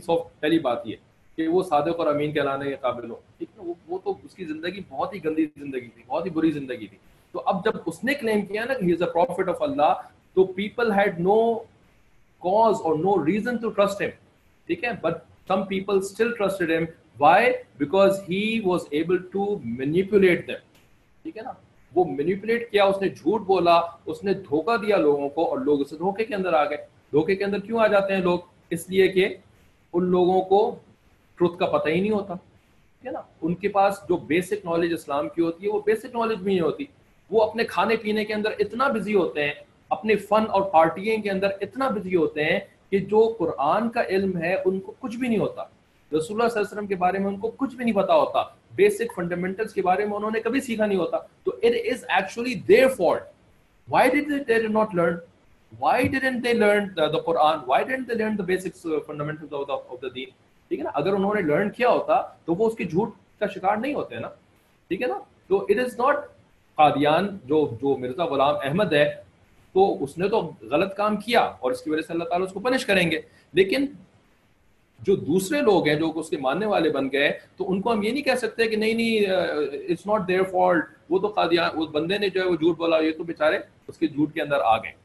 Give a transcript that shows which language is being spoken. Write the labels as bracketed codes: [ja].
[ur] سو پہلی بات یہ کہ وہ صادق اور امین کہلانے کے قابل ہو, ٹھیک ہے. وہ تو اس کی زندگی بہت ہی گندی زندگی تھی, بہت ہی بری زندگی تھی. تو اب جب اس نے کلیم کیا نا کہ [en] He is a prophet of Allah, تو people had no cause اور no reason to trust him, ٹھیک ہے, but some people still trusted him. Why? Because he was able to manipulate them. [ur] ٹھیک ہے نا, وہ مینیپولیٹ کیا, اس نے جھوٹ بولا, اس نے دھوکہ دیا لوگوں کو اور لوگ اسے دھوکے کے اندر آ گئے. دھوکے کے اندر کیوں آ جاتے ہیں لوگ؟ اس لیے کہ ان لوگوں کو ٹروتھ کا پتہ ہی نہیں ہوتا, ٹھیک ہے نا. ان کے پاس جو بیسک نالج اسلام کی ہوتی ہے وہ بیسک نالج بھی نہیں ہوتی. وہ اپنے کھانے پینے کے اندر اتنا بزی ہوتے ہیں, اپنے فن اور پارٹیئنگ کے اندر اتنا بزی ہوتے ہیں کہ جو قرآن کا علم ہے ان کو کچھ بھی نہیں ہوتا. رسول اللہ صلی اللہ علیہ وسلم کے بارے میں ان کو کچھ بھی نہیں پتا ہوتا, بیسک فنڈامنٹلز کے بارے میں انہوں نے کبھی سیکھا نہیں ہوتا. [en] تو it is actually their fault. Why did they not learn, why didn't they learn the Quran, why didn't they learn the basic fundamentals of the deen, [ur] ٹھیک ہے نا. اگر انہوں نے لرن کیا ہوتا تو وہ اس کے جھوٹ کا شکار نہیں ہوتے نا, ٹھیک ہے نا. تو [en] it is not [ur] قادیان, جو مرزا غلام احمد ہے, تو اس نے تو غلط کام کیا اور اس کی وجہ سے اللہ تعالیٰ اس کو پنش کریں گے. لیکن جو دوسرے لوگ ہیں جو اس کے ماننے والے بن گئے, تو ان کو ہم یہ نہیں کہہ سکتے کہ نہیں نہیں [en] it's not their fault, [ur] وہ تو قادیان, اس بندے نے جو ہے وہ جھوٹ بولا, یہ تو بیچارے اس کے جھوٹ کے اندر آ گئے.